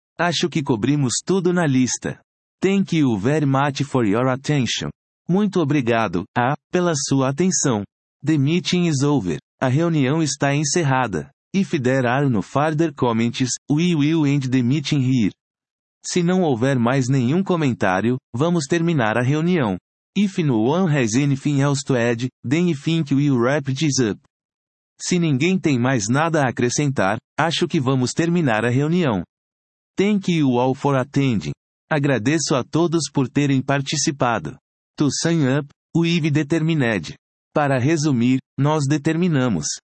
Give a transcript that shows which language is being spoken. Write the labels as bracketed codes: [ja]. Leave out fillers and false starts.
[pt] Acho que cobrimos tudo na lista. [en] Thank you very much for your attention. [pt] Muito obrigado, pela sua atenção. [en] The meeting is over. [pt] A reunião está encerrada. [en] If there are no further comments, we will end the meeting here. [pt] Se não houver mais nenhum comentário, vamos terminar a reunião. [en] If no one has anything else to add, then I think we'll wrap this up. [pt] Se ninguém tem mais nada a acrescentar, acho que vamos terminar a reunião. [en] Thank you all for attending. [pt] Agradeço a todos por terem participado. [en] To sum up, we've determined. [pt] Para resumir, nós determinamos.